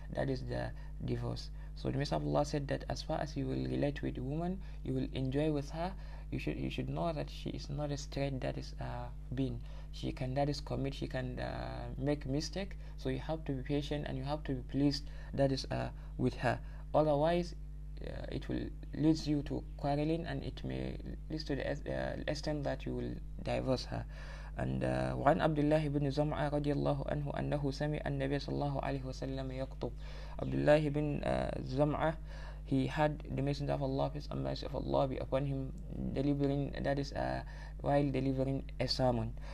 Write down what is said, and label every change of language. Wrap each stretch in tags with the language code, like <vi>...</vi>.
<en>That is the divorce. So the Messenger of Allah said that as far as you will relate with a woman, you will enjoy with her, you should know that she is not a straight, that is being. She can, that is commit, she can make mistake. So you have to be patient and you have to be pleased, that is with her. Otherwise, it will lead you to quarreling, and it may lead to the extent that you will divorce her.</en> <ar>And وعن عبد الله بن زمعة رضي الله عنه أنه سمع النبي صلى الله عليه وسلم يخطب.</ar> <en>عبد الله بن زمعة, he had the Messenger of Allah, peace and mercy of Allah be upon him, delivering, that is while delivering a sermon.</en>